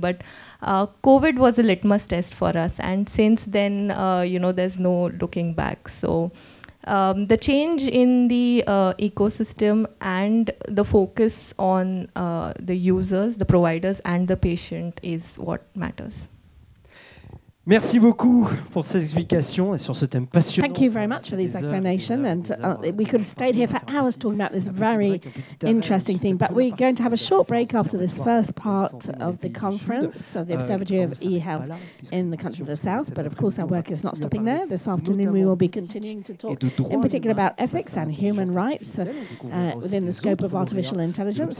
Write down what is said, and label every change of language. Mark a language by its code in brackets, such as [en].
[en] But COVID was a litmus test for us. And since then, there's no looking back. So the change in the ecosystem and the focus on the users, the providers and the patient is what matters. [fr] Merci beaucoup pour ces explications et sur ce thème passionnant. [en] Thank you very much for these explanations. And we could have stayed here for hours talking about this very interesting thing. But we're going to have a short break after this first part of the conference of the Observatory of e-Health in the country of the South. But of course, our work is not stopping there. This afternoon, we will be continuing to talk in particular about ethics and human rights within the scope of artificial intelligence.